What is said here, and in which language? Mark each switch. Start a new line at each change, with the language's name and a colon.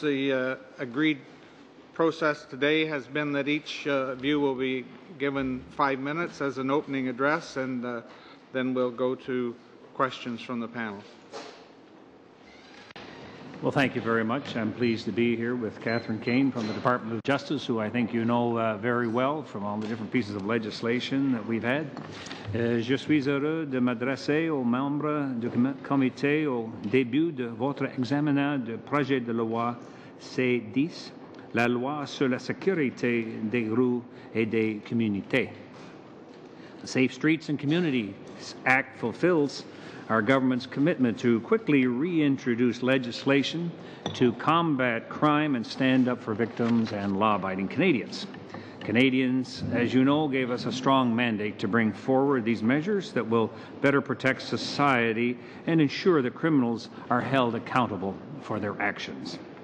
English: The agreed process today has been that each of you will be given 5 minutes as an opening address, and then we'll go to questions from the panel. Well, thank you very much. I'm pleased to be here with Catherine Kane from the Department of Justice, who I think you know very well from all the different pieces of legislation that we've had.
French: Je suis heureux de m'adresser aux membres du comité au début de votre examen du projet de loi C-10, la loi sur la sécurité des rues et des communautés.
English: The Safe Streets and Communities Act fulfills our government's commitment to quickly reintroduce legislation to combat crime and stand up for victims and law-abiding Canadians. Canadians, as you know, gave us a strong mandate to bring forward these measures that will better protect society and ensure that criminals are held accountable for their actions.